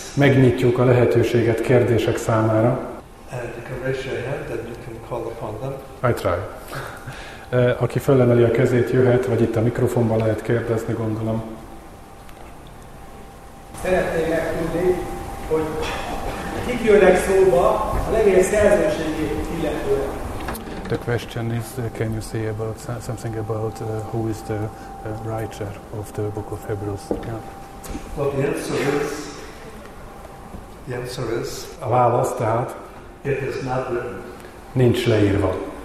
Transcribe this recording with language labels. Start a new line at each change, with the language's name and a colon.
Hungarian: Megnyitjuk a lehetőséget kérdések számára.
English: You can raise your hand and you can call upon them. I try.
Hungarian: Aki fölemeli a kezét, jöhet, vagy itt a mikrofonban lehet kérdezni, gondolom. Szeretném megtudni, hogy kik jönnek szóba a levél szerzőségét illetően.
English: The question is, can you say about something about who is the writer of the Book of Hebrews? Yeah. Well, the answer is,
Hungarian: a válasz, tehát,
English: it is not written.
Hungarian: Nincs leírva.